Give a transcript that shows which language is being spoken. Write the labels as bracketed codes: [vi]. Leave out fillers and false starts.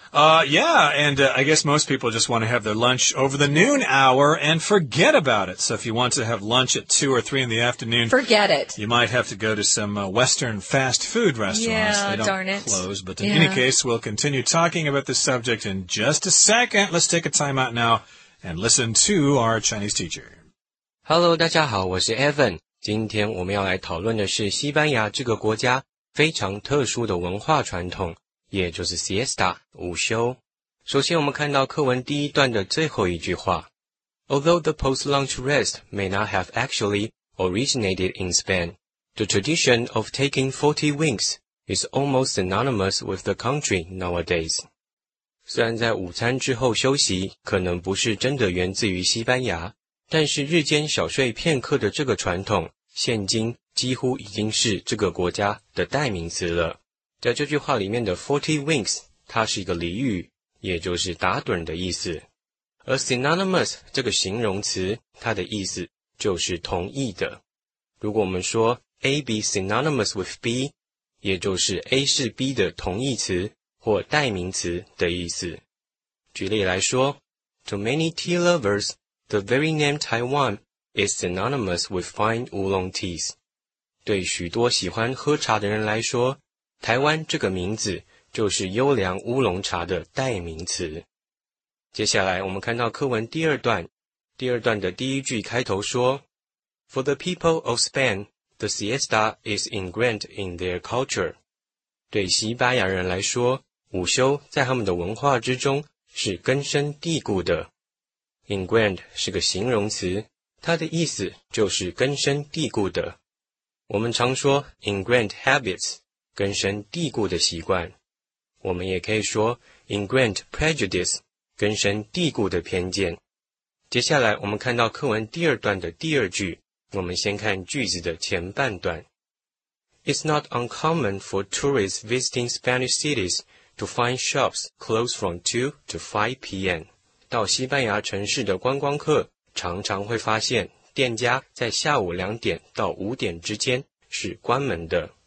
[en] I guess most people just want to have their lunch over the noon hour and forget about it. So if you want to have lunch at 2 or 3 in the afternoon, forget it. You might have to go to some Western fast food restaurants. Yeah, they don't darn it. Close. But in any case, we'll continue talking about this subject in just a second. Let's take a time out now and listen to our Chinese teacher. [zh] Hello, 大家好，我是 Evan。今天我们要来讨论的是西班牙这个国家非常特殊的文化传统，也就是 siesta, 午休。首先我们看到课文第一段的最后一句话。 [en] Although the post-lunch rest may not have actually originated in Spain, the tradition of taking 40 winks is almost synonymous with the country nowadays. [zh] 虽然在午餐之后休息可能不是真的源自于西班牙，但是日间小睡片刻的这个传统现今几乎已经是这个国家的代名词了。在这句话里面的 40 winks, 它是一个俚语，也就是打盹的意思。而 synonymous 这个形容词，它的意思就是同义的。如果我们说 A be synonymous with B, 也就是 A 是 B 的同义词或代名词的意思。举例来说， [en] To many tea lovers,The very name Taiwan is synonymous with fine oolong teas. [zh] 对许多喜欢喝茶的人来说，台湾这个名字就是优良乌龙茶的代名词。接下来我们看到课文第二段，第二段的第一句开头说， [en] For the people of Spain, the siesta is ingrained in their culture. [zh] 对西班牙人来说，午休在他们的文化之中是根深蒂固的。 ingrained 是个形容词，它的意思就是根深蒂固的。我们常说 ingrained habits, 根深蒂固的习惯。我们也可以说 ingrained prejudice, 根深蒂固的偏见。接下来我们看到课文第二段的第二句，我们先看句子的前半段。 [en] It's not uncommon for tourists visiting Spanish cities to find shops closed from 2 to 5 p.m. [zh] 到西班牙城市的观光客常常会发现店家在下午2点到5点之间是关门的。